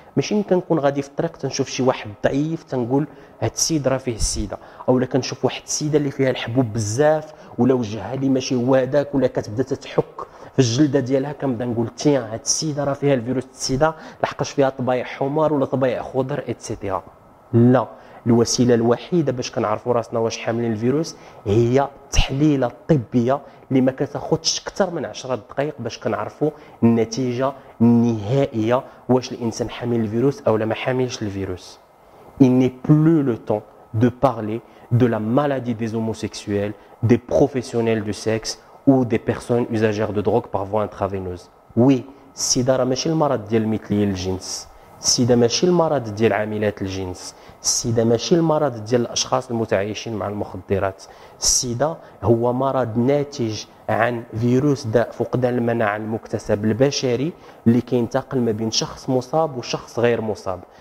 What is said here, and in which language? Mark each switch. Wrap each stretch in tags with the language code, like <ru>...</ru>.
<ar>ماشي كنكون غادي في الطريق تنشوف شي واحد ضعيف تنقول هاد السيد راه فيه السيده، او لا كنشوف واحد السيده اللي فيها الحبوب بزاف ولا وجهها لي ماشي هو هذاك ولا كتبدا تتحك في الجلده ديالها كنبدا نقول تيان هاد السيده راه فيها الفيروس السيده، لحقاش فيها طبايع حمر ولا طبايع خضر اتسيتيرا. لا، الوسيله الوحيده باش كنعرفوا راسنا واش حاملين الفيروس هي التحليله الطبيه اللي ما كتاخذش اكثر من 10 دقائق باش كنعرفوا النتيجه النهائيه واش الانسان حامل الفيروس او لا ما حاملش الفيروس.</ar> <fr>Il n'est plus le temps de parler de la maladie des homosexuels, des professionnels du sexe ou des personnes usagères de drogue par voie intraveineuse.</fr> <ar>Oui, السيدا راه ماشي المرض ديال المثليين الجنس، السيدا ماشي المرض ديال عاملات الجنس، السيدا ماشي المرض ديال الاشخاص المتعايشين مع المخدرات. السيدا هو مرض ناتج عن فيروس داء فقدان المناعه المكتسب البشري اللي كينتقل ما بين شخص مصاب وشخص غير مصاب.</ar>